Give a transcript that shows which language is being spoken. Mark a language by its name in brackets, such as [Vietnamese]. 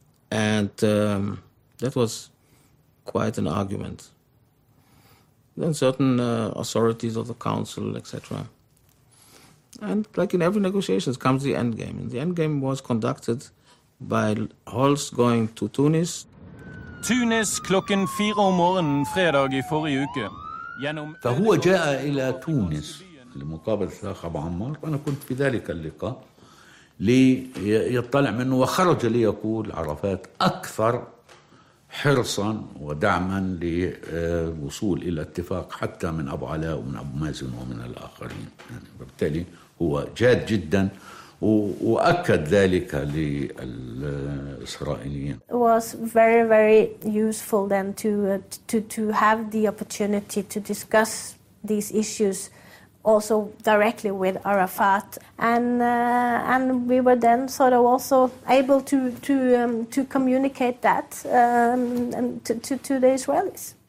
[English] That was quite an argument. Then certain authorities of the council, etc. And like in every negotiations comes the end game. And the end game was conducted by Holst going to Tunis. [Norwegian] Tunis klokken 4 om morgenen fredag i forrige uke. [Arabic] Gjennom فهو جاء الى تونس لمقابله الشيخ ابو عمار وانا كنت في ذلك اللقاء ليطلع منه وخرج ليقول عرفات اكثر حرصا ودعما للوصول الى اتفاق حتى من ابو علاء ومن ابو مازن ومن الاخرين يعني وبالتالي هو جاد جدا واكد ذلك للاسرائيليين. [English] It was very very useful then to have the opportunity to discuss these issues also directly with Arafat and we were then sort of also able to communicate that to the Israelis.